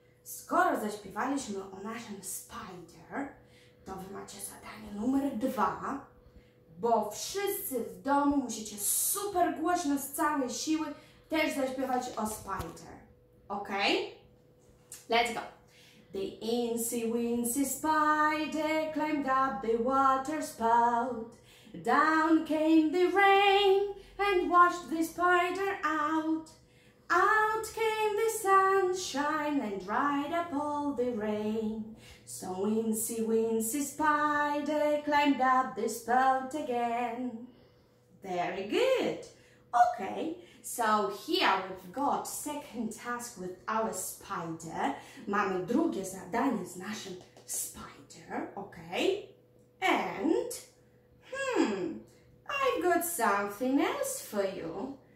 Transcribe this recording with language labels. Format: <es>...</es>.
<pl>Skoro zaśpiewaliśmy o naszym spider, to wy macie zadanie numer dwa, bo wszyscy w domu musicie super głośno z całej siły też zaśpiewać o spider.</pl> <en>Okay? Let's go. The incy wincy spider climbed up the water spout. Down came the rain and washed the spider out. Out came the sunshine and dried up all the rain. So incy wincy spider climbed up the spout again. Very good. Okay, so here we've got second task with our spider.</en> <pl>Mamy drugie zadanie z naszym spider.</pl> <en>Okay, and I've got something else for you.</en>